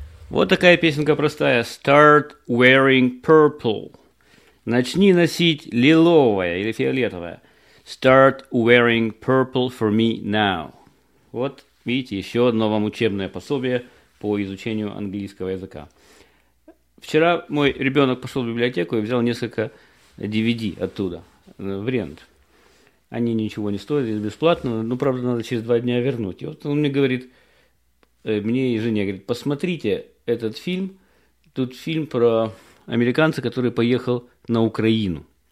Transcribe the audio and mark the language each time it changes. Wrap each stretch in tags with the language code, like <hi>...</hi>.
<ru>Вот такая песенка простая.</ru> <en>Start wearing purple.</en> <ru>Начни носить лиловое или фиолетовое.</ru> <en>Start wearing purple for me now.</en> <ru>Вот, видите, еще одно вам учебное пособие по изучению английского языка. Вчера мой ребенок пошел в библиотеку и взял несколько DVD оттуда, в рент. Они ничего не стоят, это бесплатно, но, правда, надо через 2 дня вернуть. И вот он мне говорит, мне и жене говорит, посмотрите этот фильм, тут фильм про американца, который поехал на Украину.</ru>